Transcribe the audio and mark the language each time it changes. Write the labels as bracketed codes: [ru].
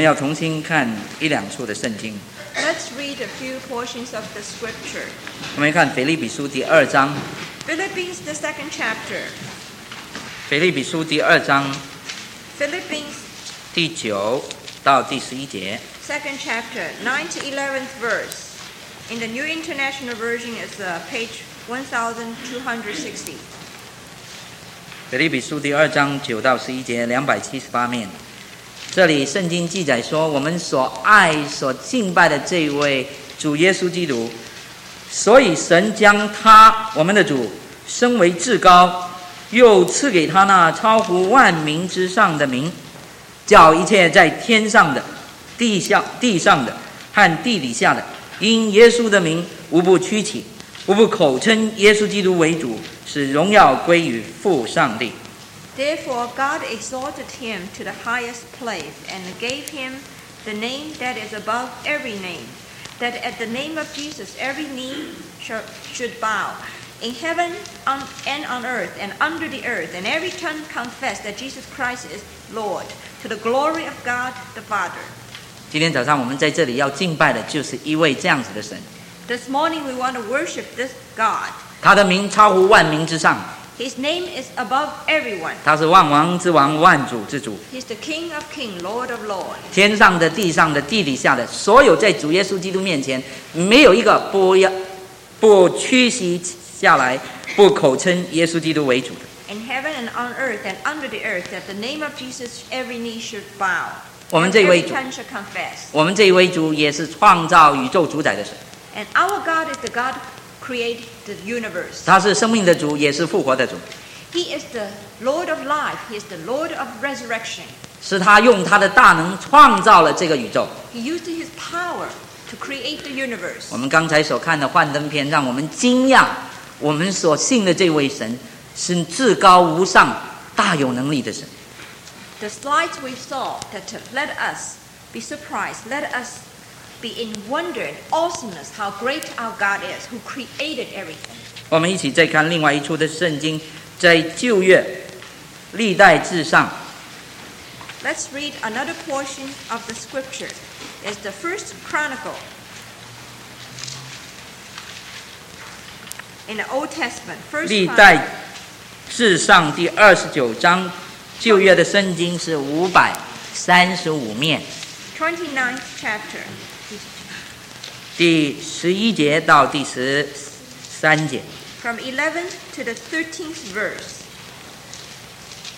[en] Let's read a few portions of the scripture. [zh] 我们看腓立比书第二章。 [en] Philippians the second chapter. [zh] 腓立比书第二章。 [en] Philippians. [zh] 第九到第十一节。 [en] Second chapter, 9 to 11th verse. In the New International Version, it's page 1260. [zh] 腓立比书第二章九到十一节，两百七十八面。这里圣经记载说，我们所爱所敬拜的这一位主耶稣基督，所以神将他我们的主升为至高，又赐给他那超乎万民之上的名，叫一切在天上的、地上的和地底下的，因耶稣的名无不屈起，无不口称耶稣基督为主，使荣耀归于父上帝。 [en] Therefore, God exalted him to the highest place and gave him the name that is above every name, that at the name of Jesus every knee should bow, in heaven and on earth and under the earth, and every tongue confess that Jesus Christ is Lord, to the glory of God the Father. [zh] 今天早上我们在这里要敬拜的就是一位这样子的神。 [en] This morning we want to worship this God. [zh] 他的名超乎万民之上。 [en] His name is above everyone. [zh] 他是万王之王，万主之主。 [en] He's the King of Kings, Lord of Lords. [zh] 天上的、地上的、地底下的，所有在主耶稣基督面前，没有一个不屈膝下来，不口称耶稣基督为主的。 [en] In heaven and on earth and under the earth, that the name of Jesus every knee should bow. [zh] 我们这位主， [en] every tongue should confess. [zh] 我们这一位主也是创造宇宙主宰的神。 [en] And our God is the God. Create the universe. [zh] 他是生命的主，也是复活的主。 [en] He is the Lord of life. He is the Lord of resurrection. [zh] 是他用他的大能创造了这个宇宙。 [en] He used his power to create the universe. [zh] 我们刚才所看的幻灯片，让我们惊讶，我们所信的这位神是至高无上、大有能力的神。 [en] The slides we saw that let us be surprised. Let us. Be in wonder and awesomeness how great our God is who created everything. [zh] 我们一起再看另外一处的圣经，在旧约历代志上。 [en] Let's read another portion of the scripture. It's the first chronicle in the Old Testament. First [zh] 历代志上第二十九章，旧约的圣经是五百三十五面。 [en] 29th chapter. [zh] 第十一节到第十三节。 [en] From 11th to the 13th verse.